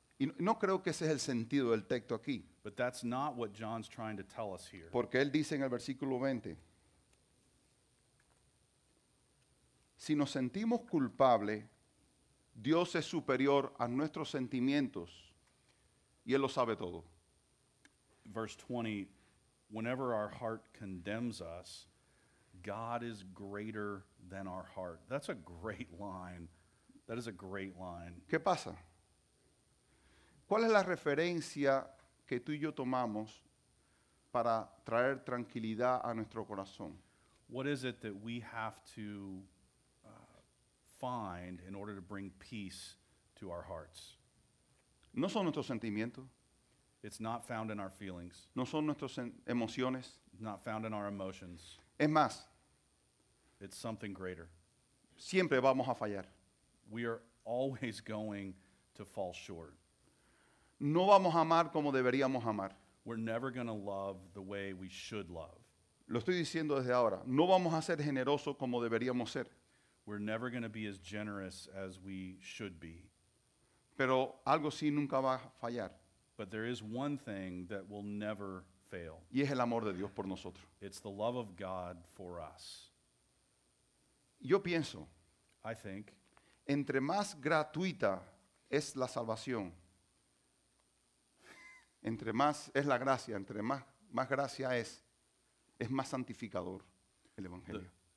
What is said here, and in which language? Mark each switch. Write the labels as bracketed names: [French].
[Spanish] Y no creo que ese es el sentido del texto aquí. [English] But that's not what John's trying to tell us here. [Spanish] Porque él dice en el versículo 20. Si nos sentimos culpables, Dios es superior a nuestros sentimientos y Él lo sabe todo. [English] Verse 20, whenever our heart condemns us, God is greater than our heart. That's a great line. That is a great line. [Spanish] ¿Qué pasa? ¿Cuál es la referencia que tú y yo tomamos para traer tranquilidad a nuestro corazón? [English] What is it that we have to find in order to bring peace to our hearts? [Spanish] No son nuestros sentimientos. [English] It's not found in our feelings. [Spanish] No son nuestras emociones. [English] Not found in our emotions. [Spanish] Es más, [English] it's something greater. [Spanish] Siempre vamos a fallar. [English] We are always going to fall short. [Spanish] No vamos a amar como deberíamos amar. [English] We're never going to love the way we should love. [Spanish] Lo estoy diciendo desde ahora. No vamos a ser generosos como deberíamos ser. [English] We're never going to be as generous as we should be. [Spanish] Pero algo sí nunca va a fallar. [English] But there is one thing that will never fail. [Spanish] Y es el amor de Dios por nosotros. [English] It's the love of God for us. [Spanish] Yo pienso. [English] I think. [Spanish] Entre más gratuita es la salvación. Entre más es la gracia. Entre más gracia es más santificador el Evangelio.